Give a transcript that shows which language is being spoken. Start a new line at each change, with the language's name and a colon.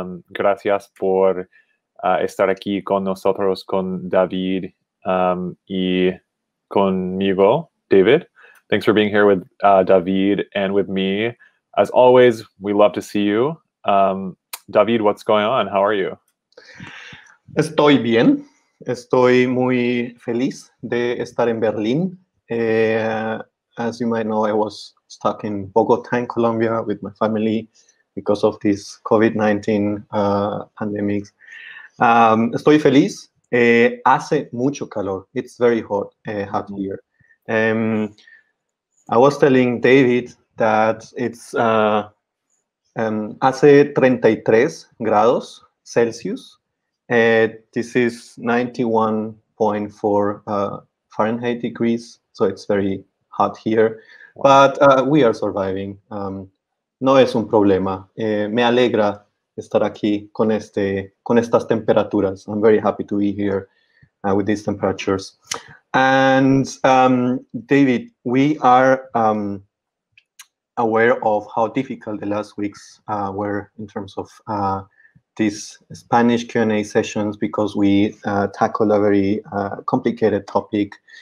Spanish: Gracias por estar aquí con nosotros, con David y conmigo, David.
English: Thanks for being here with David and with me. As always, we love to see you. David, what's going on? How are you?
Spanish: Estoy bien. Estoy muy feliz de estar en Berlín.
English: As you might know, I was stuck in Bogotá, Colombia with my family because of this COVID-19 pandemic.
Spanish: Estoy feliz. Hace mucho calor.
English: It's very hot, hot here. I was telling David that it's
Spanish: hace 33 grados Celsius.
English: This is 91.4 Fahrenheit degrees, so it's very hot here. But we are surviving.
Spanish: No es un problema. Me alegra estar aquí con este con estas temperaturas.
English: I'm very happy to be here with these temperatures. And David, we are aware of how difficult the last weeks were in terms of these Spanish Q&A sessions because we tackled a very complicated topic.